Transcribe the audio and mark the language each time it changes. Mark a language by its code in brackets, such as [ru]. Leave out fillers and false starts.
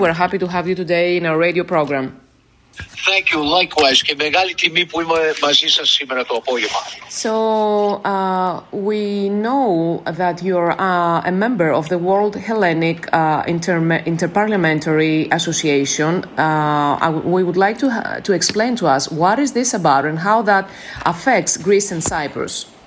[en] We're happy to have you today in our radio program. Thank you, likewise. [el] Και μεγάλη τιμή που είμαι μαζί σας σήμερα το απόγευμα. [en] So, we know that you're a member of the World Hellenic Interparliamentary Association. We would like to explain to us what is this about and how that affects Greece and Cyprus.